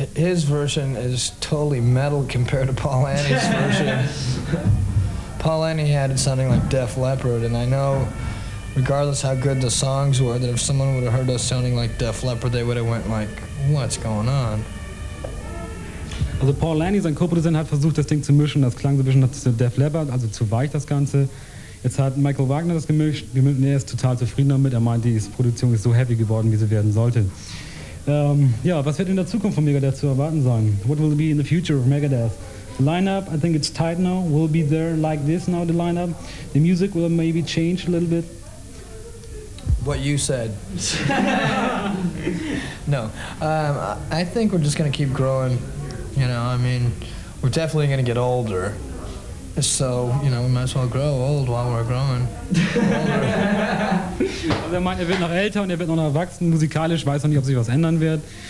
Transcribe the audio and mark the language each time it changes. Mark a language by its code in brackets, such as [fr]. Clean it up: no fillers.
[en] His version is totally metal compared to Paul Annie's version. Paul Annie had it sounding like Def Leppard, and I know regardless how good the songs were, that if someone would have heard us sounding like Def Leppard, they would have went like, what's going on? [de] Also Paul Lanny, sein Co-Produzent, hat versucht, das Ding zu mischen. Das klang so ein bisschen zu Def Leppard, also zu weich das Ganze. Jetzt hat Michael Wagner das gemischt. Er ist total zufrieden damit. Er meint, die Produktion ist so heavy geworden, wie sie werden sollte. Ja, was wird in der Zukunft von Megadeth zu erwarten sein? [en] What will be in the future of Megadeth? The lineup, I think it's tight now. Will be there like this now, the lineup. The music will maybe change a little bit. What you said. No, I think we're just gonna keep growing. You know, I mean, we're definitely gonna get older. So, you know, we might as well grow old while we're growing. [de] Also er meint, er wird noch älter und er wird noch erwachsen. Musikalisch weiß noch nicht, ob sich was ändern wird.